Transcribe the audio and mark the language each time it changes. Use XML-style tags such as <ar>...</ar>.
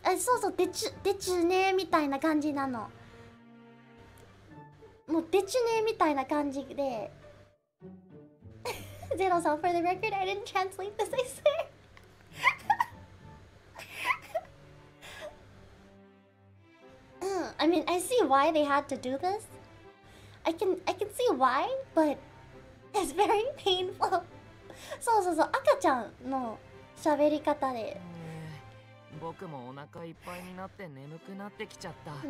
<ja>そうそう、でちゅねーみたいな感じなの。もうでちゅねーみたいな感じで。</ja> <en>ゼロさん、for the record, I didn't translate this, I swear. I mean, I see why they had to do this. I can see why, but it's very painful.</en> <ja>そうそうそう、赤ちゃんの喋り方で。僕もお腹いっぱいになって眠くなってきちゃった。</ja>